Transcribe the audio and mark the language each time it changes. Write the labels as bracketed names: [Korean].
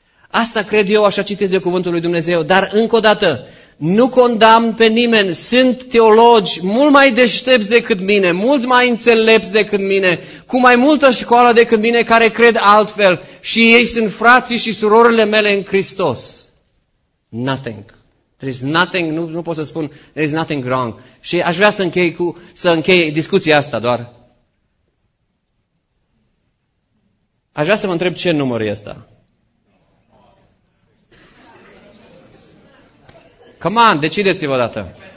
[Romanian] Asta cred eu, așa citesc eu cuvântul lui Dumnezeu. Dar încă o dată, nu condamn pe nimeni, sunt teologi mult mai deștepți decât mine, mult mai înțelepți decât mine, cu mai multă școală decât mine, care cred altfel și ei sunt frații și surorile mele în Hristos. [English] Nothing. There is nothing, [Romanian] nu pot să spun, [English] there is nothing wrong. [Romanian] Și aș vrea să închei discuția asta doar. Aș vrea să vă întreb ce număr e ăsta. [English] Come on, [Romanian] decideți-vă odată.